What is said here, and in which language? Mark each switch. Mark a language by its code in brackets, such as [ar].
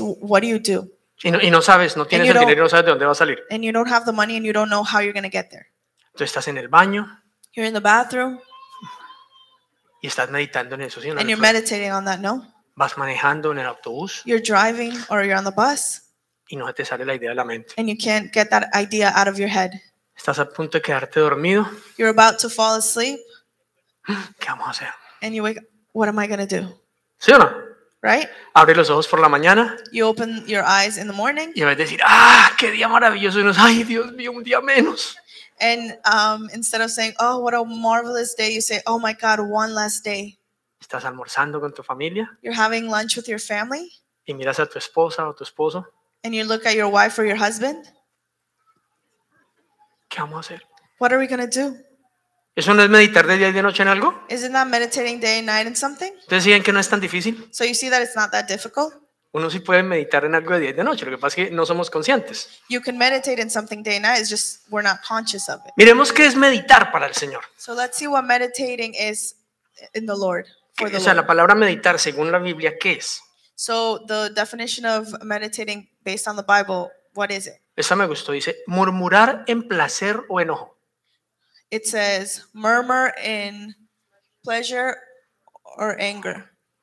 [en] What do you do? [es] Y no sabes, no tienes el dinero y no sabes de dónde va a salir. [en] And you don't have the money and you don't know how you're going to get there. [es] Tú estás en el baño. [en] You're in the bathroom. [es] Y estás meditando en eso, ¿sí? [en] And you're meditating on that, no? [es] Vas manejando en el autobús. [en] You're driving or you're on the bus. [es] Y no te sale la idea de la mente. [en] And you can't get that idea out of your head. [es] Estás a punto de quedarte dormido. [en] You're about to fall asleep. [es] ¿Qué vamos a hacer? [en] And you wake up, what am I going to do? [es] ¿Sí o no? [en] Right? [es] Abrir los ojos por la mañana. [en] You open your eyes in the morning. [es] Y vas a decir, ¡ah, qué día maravilloso! Y nos, ¡ay, Dios mío, un día menos! [en] And instead of saying, oh, what a marvelous day, you say, oh my God, one last day. [es] Estás almorzando con tu familia. [en] You're having lunch with your family. [es] Y miras a tu esposa o tu esposo. [en] And you look at your wife or your husband. [es] ¿Qué vamos a hacer? [en] What are we going to do? [es] ¿Eso no es meditar de día y de noche en algo? [en] Isn't that meditating day and night in something? [es] ¿Ustedes siguen que no es tan difícil? [en] So you see that it's not that difficult. [es] Uno sí puede meditar en algo de día y de noche, lo que pasa es que no somos conscientes. [en] You can meditate in something day and night, it's just we're not conscious of it. [es] Miremos qué es meditar para el Señor. [en] So let's see what meditating is in the Lord, for the Lord. O [es] sea, la palabra meditar según la Biblia, ¿qué es? [en] So the definition of meditating based on the Bible, what is it? [es] Esta me gustó, dice murmurar en placer o enojo. [en] It says murmur in pleasure or anger.